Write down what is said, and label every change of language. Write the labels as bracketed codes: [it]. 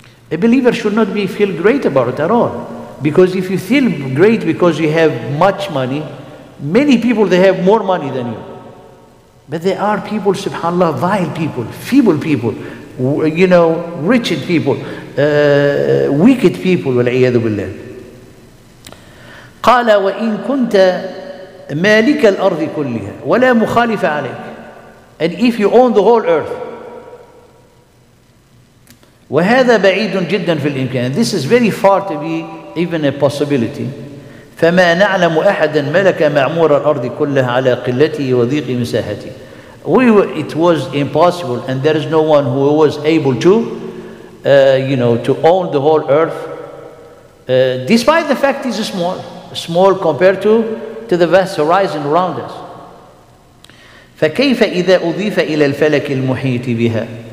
[en] A believer should not be feel great about it at all. Because if you feel great because you have much money, many people, they have more money than you. But there are people, subhanAllah, vile people, feeble people, you know, wretched people, wicked people, wal'iyadu billah. [ar] قال وإن كنت مالك الأرض كلها ولا مخالف عليك. [en] And if you own the whole earth, [ar] وهذا بعيد جدا في الإمكان. [en] This is very far to be even a possibility. [ar] فما نعلم أحدا ملك معمور الأرض كلها على قلته وضيق مساحته. [en] It was impossible, and there is no one who was able to, you know, to own the whole earth, despite the fact it's small. Small compared to the vast horizon around us. [ar] فَكَيْفَ إِذَا أُضِيفَ إِلَى الْفَلَكِ الْمُحِيطِ بِهَا.